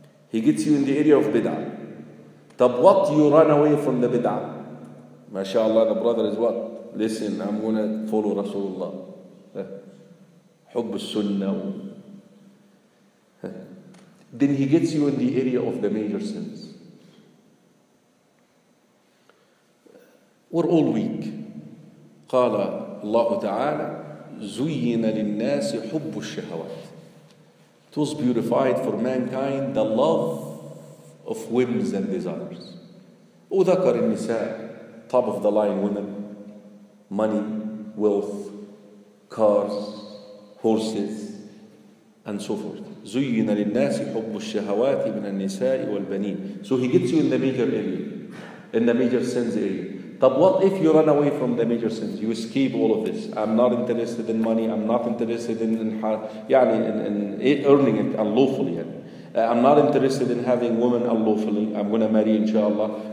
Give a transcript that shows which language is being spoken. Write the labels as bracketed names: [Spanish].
[English] He gets you in the area of Bid'ah. Tab, what you run away from the Bid'ah? Masha'Allah, the brother is what? Listen, I'm gonna follow Rasulullah. Hubb al-Sunnah. Then he gets you in the area of the major sins. We're all weak. [Arabic] قال الله تعالى زين للناس حب الشهوات. [English] It was beautified for mankind the love of whims and desires. [Arabic] وذكر النساء [English] top of the line women, money, wealth, cars, horses, and so forth. [Arabic] زين للناس حب الشهوات من النساء والبنين. [English] So he gets you in the major area, in the major sins area. But what if you run away from the major sins? You escape all of this. I'm not interested in money. I'm not interested in earning it unlawfully. I'm not interested in having women unlawfully. I'm going to marry inshallah.